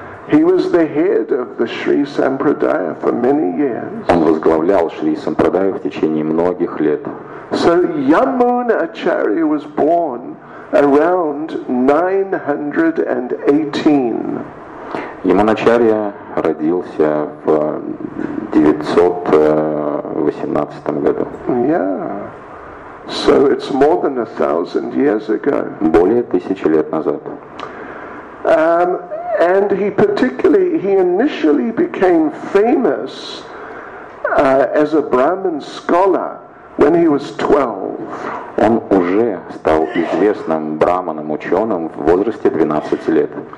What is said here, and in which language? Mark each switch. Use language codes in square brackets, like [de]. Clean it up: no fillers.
[en] He was the head of the Sri Sampradaya for many years. [ru] Он возглавлял Шри Сампрадаю в течение многих лет. [en] So Yamunacharya was born around 918. [ru] Ямуначарья родился в 918 году. [en] Yeah. So it's more than 1,000 years ago. [ru] Более 1000 лет назад. [en] And he initially became famous as a Brahmin scholar when he was 12. [ru] Он уже стал известным брахманом ученым в возрасте 12 лет.